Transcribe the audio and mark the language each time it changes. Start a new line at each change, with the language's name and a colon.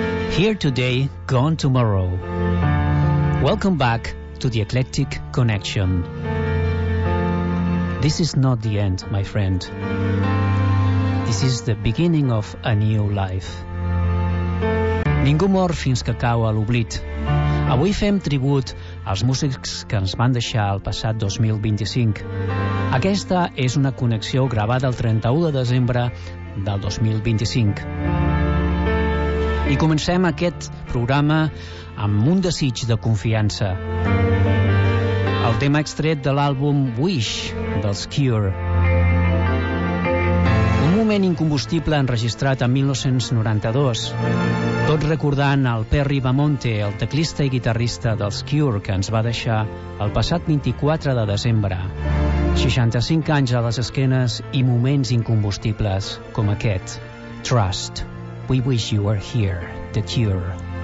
English: Here today, gone tomorrow. Welcome back to the Eclectic Connection. This is not the end, my friend. This is the beginning of a new life.
Catalan: Ningú mor fins que cau a l'oblit. Avui fem tribut als músics que ens van deixar el passat 2025. Aquesta és una connexió gravada el 31 de desembre del 2025. I comencem aquest programa amb un desig de confiança. El tema extret de l'àlbum Wish, dels Cure. Un moment incombustible enregistrat en 1992, tot recordant el Perry Bamonte, el teclista i guitarrista dels Cure, que ens va deixar el passat 24 de desembre. 65 anys a les esquenes i moments incombustibles com aquest, Trust.
English: We wish you were here, The Cure.